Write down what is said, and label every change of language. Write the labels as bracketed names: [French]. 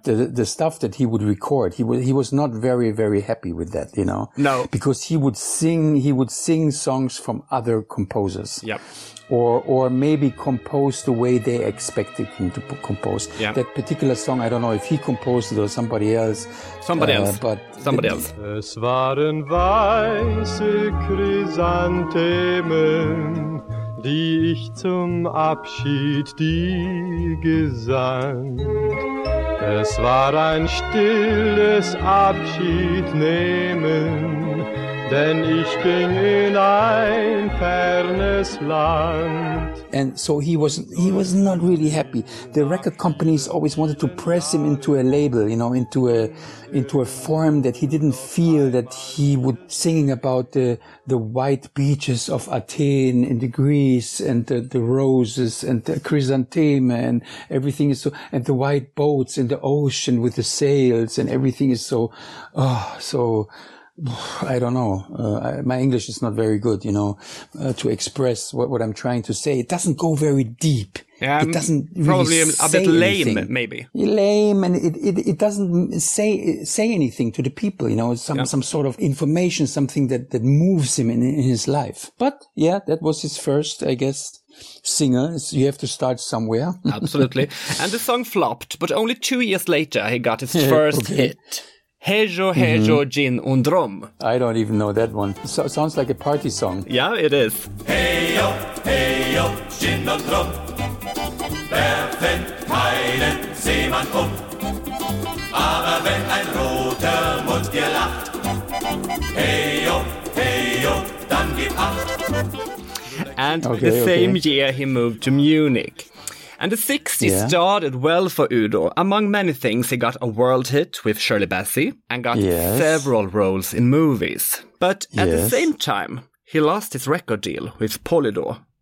[English] The stuff that he would record. He was not very, very happy with that, you know. No. Because he would sing songs from other composers. Yep. Or maybe compose the way they expected him to compose. Yep. That particular song, I don't know if he composed it or somebody else. Somebody else. [German] Es waren weiße Chrysanthemen, die ich zum Abschied dir gesandt. Es war ein stilles Abschiednehmen, denn ich ging in ein fernes Land. [English] And so he was not really happy. The record companies always wanted to press him into a label, you know, into a form that he didn't feel that he would singing about the white beaches of Athens and the Greece and the roses and the chrysanthemum and everything is so, and the white boats in the ocean with the sails and everything is so, oh, so, I don't know. My English is not very good, you know, to express what I'm trying to say. It doesn't go very deep. Yeah, it doesn't really say anything. Probably a bit lame, maybe. Lame, and it doesn't say anything to the people, you know, some sort of information, something that moves him in his life. But yeah, that was his first, I guess, singer. So you have to start somewhere. Absolutely. And the song flopped, but only 2 years later, he got his first okay. [German] hit. Hejo, hejo, mm-hmm. gin und rum. [English] I don't even know that one. So, sounds like a party song. Yeah, it is. [German] Hey yo, hey yo, gin und rum. Werfen keinen Seemann um. Aber wenn ein roter Mund dir lacht. Hey yo, hey yo, dann gib acht. [English] And okay, the same year he moved to Munich. And the 60s yeah. started well for Udo. Among many things, he got a world hit with Shirley Bassey and got yes. several roles in movies. But at yes. the same time, he lost his record deal with Polydor.